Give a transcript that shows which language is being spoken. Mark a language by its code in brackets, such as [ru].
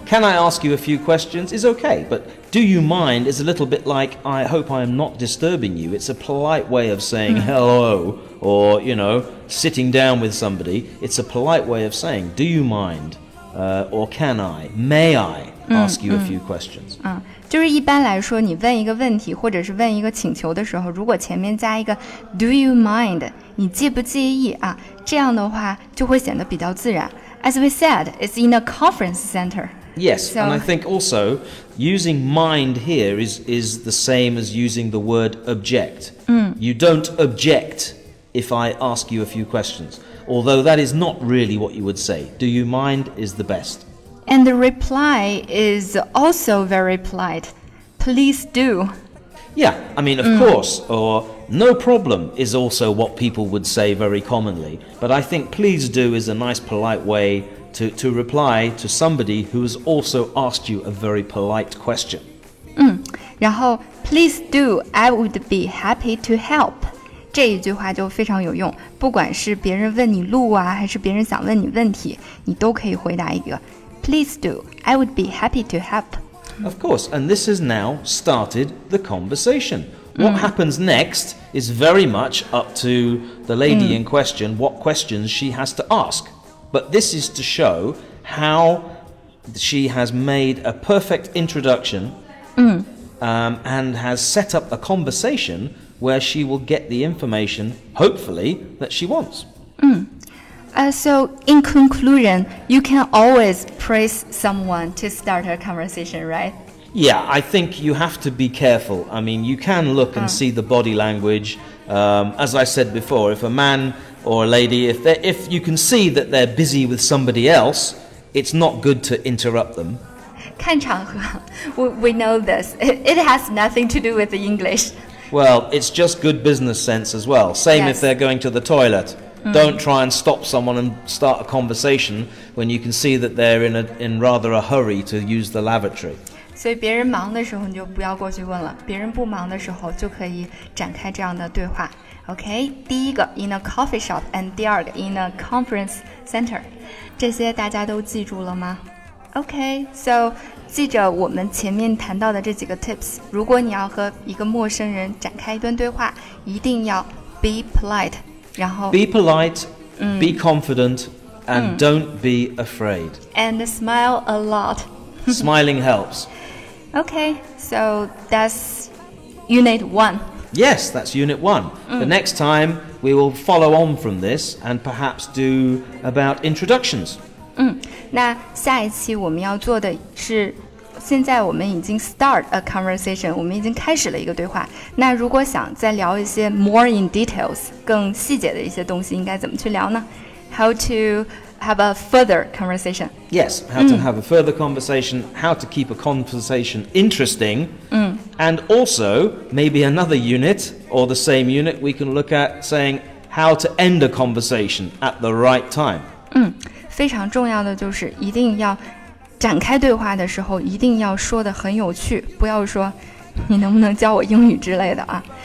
[en] can I ask you a few questions is okay, but do you mind is a little bit like, I hope I am not disturbing you. It's a polite way of saying hello or, you know, sitting down with somebody. It's a polite way of saying, do you mind or can I, may I ask you a few questions? [zh] 就是一般来说你问一个问题或者是问一个请求的时候，如果前面加一个 [en] do you mind, [zh] 你介不介意啊，这样的话就会显得比较自然。 [en] As we said, it's in a conference center. Yes, so, and I think also using mind here is the same as using the word object. You don't object if I ask you a few questions. Although that is not really what you would say. Do you mind is the best. And the reply is also very polite. Please do. Yeah, I mean, of course, or... No problem is also what people would say very commonly. But I think please do is a nice polite way to reply to somebody who has also asked you a very polite question. [zh] 然后 [en] please do, I would be happy to help. [zh] 这一句话就非常有用。不管是别人问你路啊，还是别人想问你问题，你都可以回答一个 [en] please do, I would be happy to help. Of course, and this has now started the conversation. What happens next is very much up to the lady in question, what questions she has to ask. But this is to show how she has made a perfect introduction and has set up a conversation where she will get the information, hopefully, that she wants. So in conclusion, you can always praise someone to start a conversation, right? Yeah, I think you have to be careful. I mean, you can look and see the body language. As I said before, if a man or a lady, if you can see that they're busy with somebody else, it's not good to interrupt them. [zh] 看场合, [en] we know this. It has nothing to do with the English. Well, it's just good business sense as well. Same if they're going to the toilet. Don't try and stop someone and start a conversation when you can see that they're in rather a hurry to use the lavatory. [zh] 所以别人忙的时候你就不要过去问了，别人不忙的时候就可以展开这样的对话。 [en] OK, [zh] 第一个 [en] in a coffee shop and [zh] 第二个 [en] in a conference center, [zh] 这些大家都记住了吗？ [en] OK, so [zh] 记着我们前面谈到的这几个 tips, 如果你要和一个陌生人展开一段对话，一定要 [en] be polite, [zh] 然后 [en] be polite, be confident, and don't be afraid, and smile a lot. Smiling helps Okay, so that's unit one. Yes, that's unit one. The next time, we will follow on from this and perhaps do about introductions. [zh] 那下一期我们要做的是现在我们已经 [en] start a conversation, [zh] 我们已经开始了一个对话。那如果想再聊一些 [en] more in details, [zh] 更细节的一些东西应该怎么去聊呢? [en] How to... Have a further conversation. Yes, how to have a further conversation, how to keep a conversation interesting, And also, maybe another unit or the same unit we can look at saying how to end a conversation at the right time. [zh] 非常重要的就是一定要展开对话的时候一定要说得很有趣，不要说你能不能教我英语之类的啊。